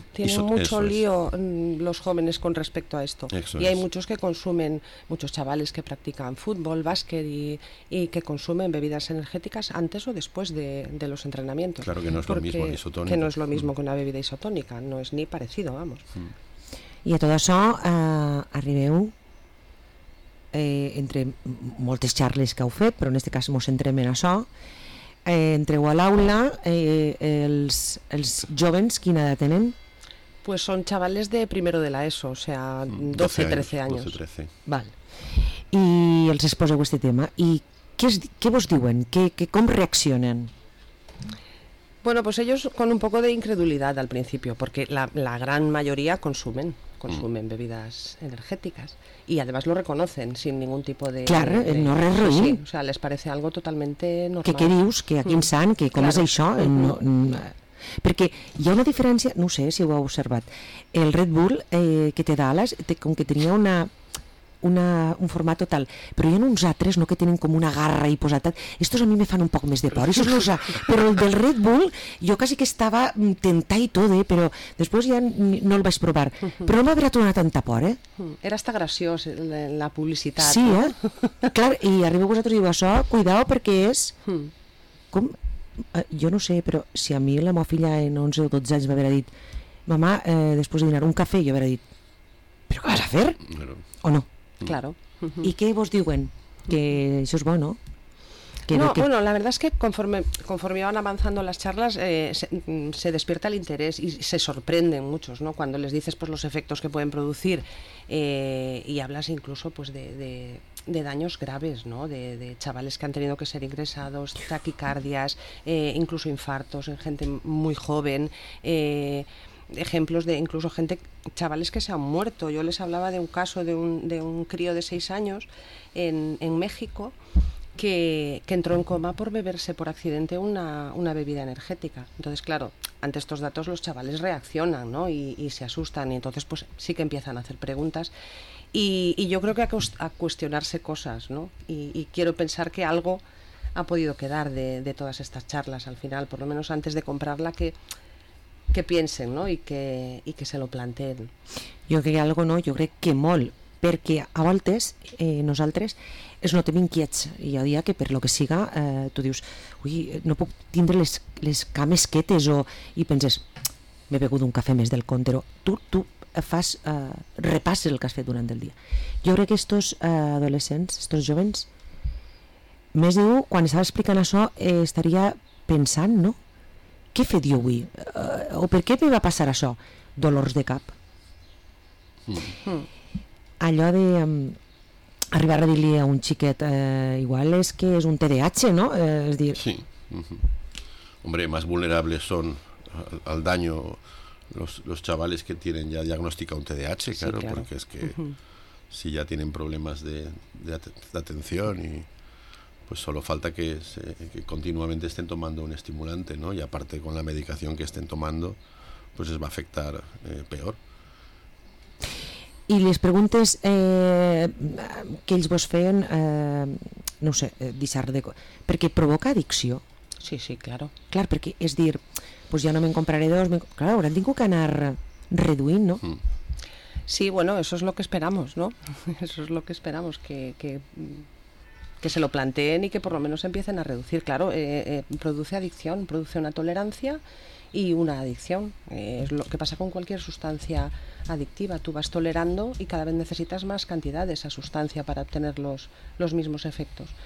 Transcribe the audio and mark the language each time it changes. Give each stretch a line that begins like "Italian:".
Spanish: Tiene mucho lío los jóvenes con respecto a esto. Eso y hay muchos que consumen, muchos chavales que practican fútbol, básquet y que consumen bebidas energéticas antes o después de los entrenamientos. Claro que no es lo mismo que isotónica. Que no es lo mismo que una bebida isotónica, no es ni parecido, vamos.
Catalan: I a tot això arribeu entre moltes xarles que heu fet, però en aquest cas ens centrem en això, entreu a l'aula, els jovens quina edat tenen?
Spanish: Pues son chavales de primero de la ESO, o sea, 12-13 años. 12-13.
Catalan: Val. I els exposeu aquest tema. I què vos diuen? Com reaccionen?
Spanish: Bueno, pues ellos con un poco de incredulidad al principio, porque la gran mayoría consumen bebidas energéticas y además lo reconocen sin ningún tipo de... Claro, no es ruin. Sí, o sea, les parece algo totalmente normal. ¿Qué dius? ¿Que a quién saben? ¿Que cómo es eso? No, porque hay una diferencia, no sé si lo he observado, el Red Bull que te da alas, como que tenía un formato tal,
Catalan: però hi ha uns altres, no, que tenen com una garra i posat. Estos a mi me fan un poc més de por. Però el del Red Bull, jo quasi que estava tentat i tot, però després ja no el vaig provar. Però no m'ha donat una tanta por, eh? Era hasta graciós, la publicitat. Sí, eh? Clar, i arriba vosaltres i diu això, cuidao, perquè és... Com? Jo no sé, però si a mi la meva filla en 11 o 12 anys m'haurà dit, mamà, després de dinar un cafè, jo haurà dit, però què vas a fer? O no?
Spanish: Claro. ¿Y qué vos diuen? Que eso es bueno. Bueno, la verdad es que conforme van avanzando las charlas se despierta el interés y se sorprenden muchos, ¿no? Cuando les dices pues los efectos que pueden producir y hablas incluso pues de daños graves, ¿no? De chavales que han tenido que ser ingresados, taquicardias, incluso infartos en gente muy joven. Ejemplos de incluso gente, chavales que se han muerto. Yo les hablaba de un caso de un crío de 6 años en México que entró en coma por beberse por accidente una bebida energética. Entonces, claro, ante estos datos los chavales reaccionan, ¿no? y se asustan y entonces pues sí que empiezan a hacer preguntas. Y yo creo que a cuestionarse cosas, ¿no? Y quiero pensar que algo ha podido quedar de todas estas charlas al final, por lo menos antes de comprarla, que piensen, ¿no? Y que se lo planteen.
Catalan: Jo crec que algo no, jo crec que molt, perquè a voltes nosaltres es notem inquiets, i hi ha dia que per lo que siga tu dius, ui, no puc tindre les cames quietes, o i penses, m'he begut un cafè més del compte, o tu fas repasses el que has fet durant el dia. Jo crec que estos adolescents, estos jovens, més d'un, quan estava explicant això estaria pensant, no? Què he fet jo avui? O per què m'hi va passar això? Dolors de cap. Allò de arribar a dir-li a un xiquet igual és que és un TDAH, no? És dir... Sí.
Spanish: Hombre, más vulnerables son al daño los chavales que tienen ya diagnóstica un TDAH, claro, porque es que si ya tienen problemas de atención y... pues solo falta que continuamente estén tomando un estimulante, ¿no? Y aparte con la medicación que estén tomando, pues les va a afectar peor.
Catalan: I les preguntes que ells vos feien, no ho sé, deixar de... Perquè provoca addicció. Sí, sí, claro. Clar, perquè és dir, pues ja no me'n compraré dos, clar, ara tinc que anar reduint, ¿no? Mm.
Spanish: Sí, bueno, eso es lo que esperamos, ¿no? Eso es lo que esperamos, que se lo planteen y que por lo menos empiecen a reducir. Claro, produce adicción, produce una tolerancia y una adicción. Es lo que pasa con cualquier sustancia adictiva. Tú vas tolerando y cada vez necesitas más cantidad de esa sustancia para obtener los mismos efectos.